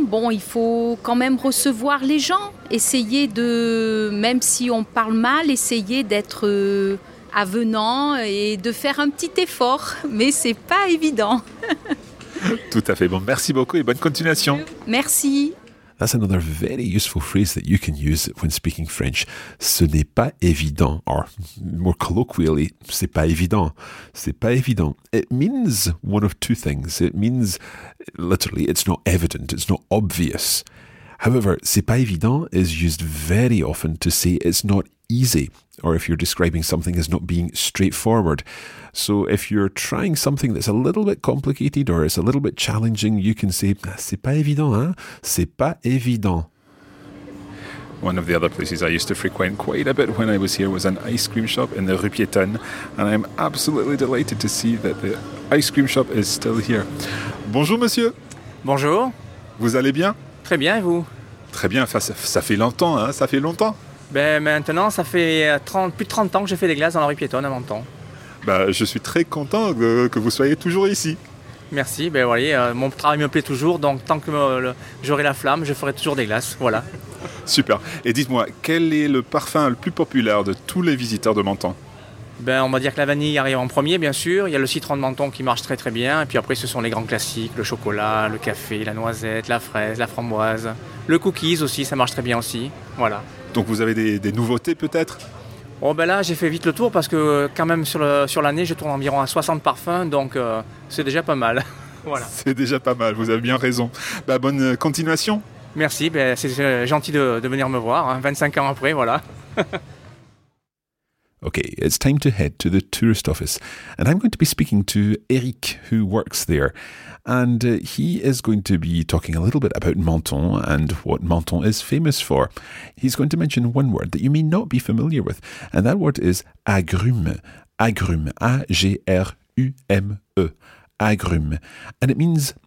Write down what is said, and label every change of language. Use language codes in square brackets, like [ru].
[fr] Bon, il faut quand même recevoir les gens. Essayer de, même si on parle mal, essayer d'être avenant et de faire un petit effort. Mais ce n'est pas évident. Tout à fait. Bon, merci beaucoup et bonne continuation. Merci. [en] That's another very useful phrase that you can use when speaking French. [fr] Ce n'est pas évident, [en] or more colloquially, [fr] c'est pas évident. C'est pas évident. [en] It means one of two things. It means, literally, it's not evident, it's not obvious. However, [fr] c'est pas évident [en] is used very often to say it's not easy, or if you're describing something as not being straightforward. So if you're trying something that's a little bit complicated or it's a little bit challenging, you can say, [fr] c'est pas évident, hein? C'est pas évident. [en] One of the other places I used to frequent quite a bit when I was here was an ice cream shop in the Rue Piétonne, and I'm absolutely delighted to see that the ice cream shop is still here. [fr] Bonjour, monsieur. Bonjour. Vous allez bien? Très bien, et vous? Très bien, ça fait longtemps, hein? Ça fait longtemps. Ben maintenant, ça fait plus de 30 ans que j'ai fait des glaces dans la Rue Piétonne à Menton. Ben, je suis très content que vous soyez toujours ici. Merci, ben voyez, mon travail me plaît toujours, donc tant que j'aurai la flamme, je ferai toujours des glaces, voilà. Super, et dites-moi, quel est le parfum le plus populaire de tous les visiteurs de Menton? Ben on va dire que la vanille arrive en premier, bien sûr, il y a le citron de Menton qui marche très très bien, et puis après ce sont les grands classiques, le chocolat, le café, la noisette, la fraise, la framboise, le cookies aussi, ça marche très bien aussi, voilà. Donc vous avez des nouveautés peut-être? Oh ben là j'ai fait vite le tour parce que quand même sur l'année je tourne environ à 60 parfums, donc c'est déjà pas mal. Voilà. C'est déjà pas mal, vous avez bien raison. Ben, bonne continuation. Merci, ben, c'est gentil de venir me voir, hein, 25 ans après, voilà. [en] Okay, it's time to head to the tourist office, and I'm going to be speaking to Eric, who works there, and he is going to be talking a little bit about Menton and what Menton is famous for. He's going to mention one word that you may not be familiar with, and that word is agrume, agrume, A-G-R-U-M-E, agrume, and it means